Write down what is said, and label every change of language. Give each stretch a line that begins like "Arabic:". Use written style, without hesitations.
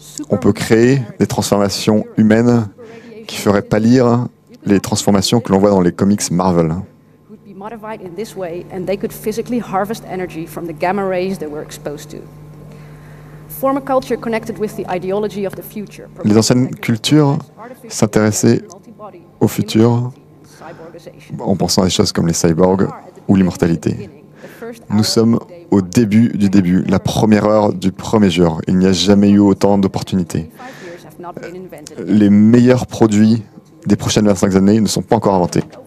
French: On peut créer des transformations humaines qui feraient pâlir les transformations que l'on voit dans les comics Marvel.
English: Modified in this way, and they could physically harvest energy from the gamma rays they were exposed to. Form a culture connected with the ideology of the future.
French: Les anciennes cultures s'intéressaient au futur en pensant à des choses comme les cyborgs ou l'immortalité. Nous sommes au début du début, la première heure du premier jour. Il n'y a jamais eu autant d'opportunités. Les meilleurs produits des prochaines 25 années ne sont pas encore inventés.